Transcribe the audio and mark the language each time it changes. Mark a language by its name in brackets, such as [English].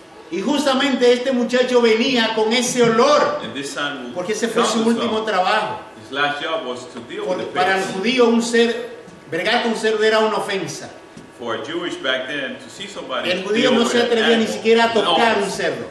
[Spanish] Y justamente este muchacho venía con ese olor. [English] And this son, [Spanish] porque ese fue su último trabajo. [English] His last job was to deal for, with the [Spanish] para el judío, un ser, bregar con un cerdo era una ofensa. [English] For a Jewish back then, to see somebody, [Spanish] el judío no se atrevía ni siquiera a tocar un cerdo.